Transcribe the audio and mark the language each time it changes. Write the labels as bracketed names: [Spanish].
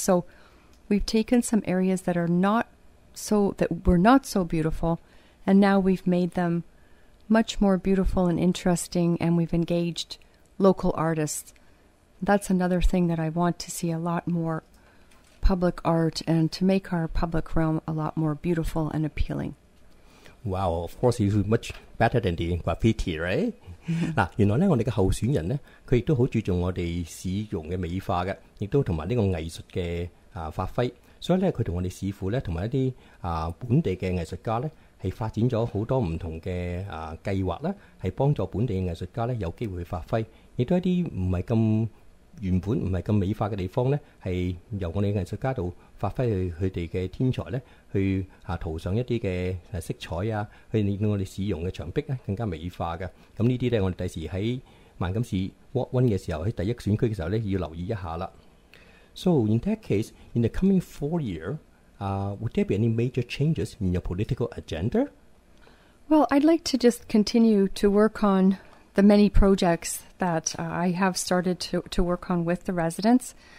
[English] So we've taken some areas that are not so, that were not so beautifulAnd now we've made them much more beautiful and interesting, and we've engaged local artists. That's another thing that I want to see, a lot more public art and to make our public realm a lot more beautiful and appealing. Wow, of course, it's much better than the graffiti, right? [Chinese] 原來呢，我們的候選人呢，他也很注重我們市容的美化，也都和這個藝術的發揮。所以呢，他和我們市府呢，和一些本地的藝術家呢，是發展了很多不同的計劃，是幫助本地的藝術家有機會發揮，也都一些不是那麼原本不是那麼美化的地方，是由我們藝術家到發揮他們的天才，去塗上一些色彩，去令我們使用的牆壁更加美化。這些我們將來在萬錦市 Ward 1的時候，在第一選區的時候要留意一下。 [English] So in that case, in the coming 4 years, would there be any major changes in your political agenda? Well, I'd like to just continue to work on the many projects that I have started to work on with the residents.